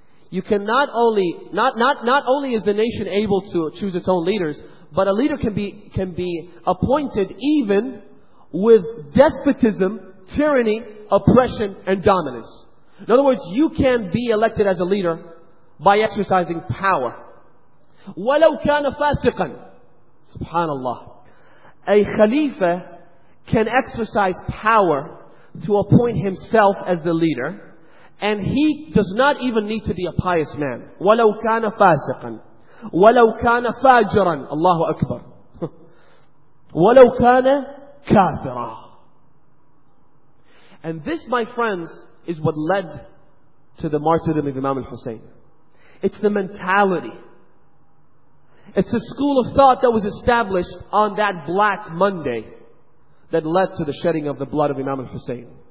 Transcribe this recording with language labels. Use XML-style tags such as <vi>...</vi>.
<en>You can not only is the nation able to choose its own leaders, but a leader can be appointed even with despotism, tyranny, oppression, and dominance. In other words, you can be elected as a leader by exercising power.</en> <ar>وَلَوْ كَانَ فَاسِقًا SubhanAllah.</ar> <en>A khalifa can exercise power to appoint himself as the leader, and he does not even need to be a pious man.</en> <ar>وَلَوْ كَانَ فَاسِقًا وَلَوْ كَانَ فَاجِرًا Allahu Akbar. وَلَوْ كَانَ كَافِرًا.</ar> <en>And this, my friends, is what led to the martyrdom of Imam al-Husayn. It's the mentality. It's the school of thought that was established on that Black Monday that led to the shedding of the blood of Imam al-Husayn.</en>